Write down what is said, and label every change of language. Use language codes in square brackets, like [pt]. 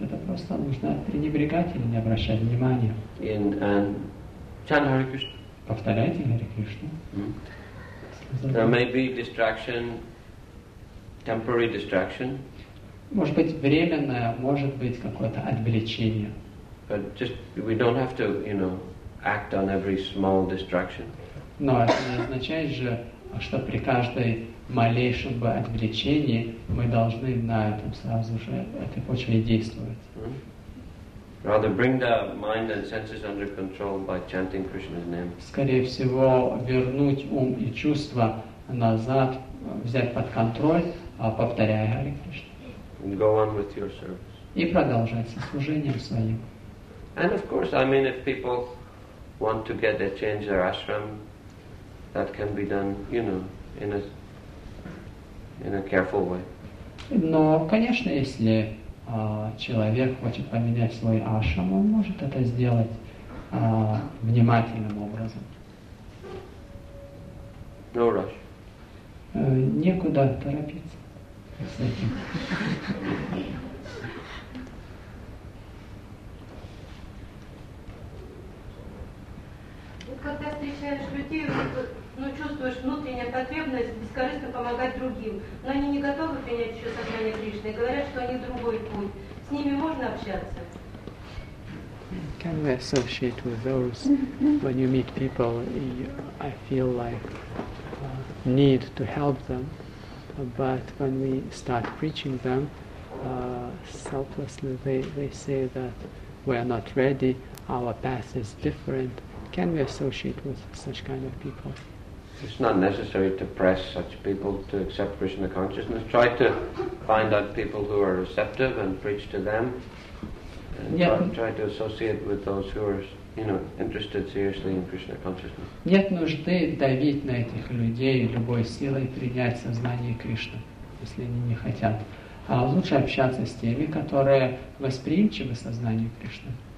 [ru] Это просто нужно пренебрегать или не обращать внимания. [en] Chant Hare Krishna. [ru] Повторяйте Hare Krishna. [en] Mm-hmm. There may be distraction, temporary distraction. [ru] Может быть временное, может быть какое-то отвлечение. [en] But just we don't have to, you know, act on every small distraction. [ru] Но это не означает же, что при каждой малейшем бы отвлечении мы должны на этом сразу же этой почве действовать. Mm-hmm. [en] Rather bring the mind and senses under control by chanting Krishna's name. [ru] Скорее всего, вернуть ум и чувства назад, взять под контроль, повторяя Hare Krishna. [en] And go on with your service. [ru] И продолжать со служением своим. [en] And of course, I mean, if people want to get a change their ashram, that can be done, you know, in a careful way. [ru] Но, конечно, если человек хочет поменять свой ашрам, он может это сделать внимательным образом. [en] No rush. [ru] Некуда торопиться с этим. Когда встречаешь людей, ну, чувствуешь внутреннюю потребность бескорыстно помогать другим, но они не готовы принять еще сознание Кришны, говорят, что они другой путь. С ними можно общаться? [en] Can we associate with those when you meet people? I feel like need to help them, but when we start preaching them, selflessly they say that we are not ready, our path is different. Can we associate with such kind of people? It's not necessary to press such people to accept Krishna consciousness. Try to find out people who are receptive and preach to them. Try to associate with those who are, you know, interested seriously in Krishna consciousness. [ru] Нет нужды давить на этих людей любой силой принять сознание Кришны, если они не хотят. А лучше общаться с теми, которые восприимчивы сознанию Кришны.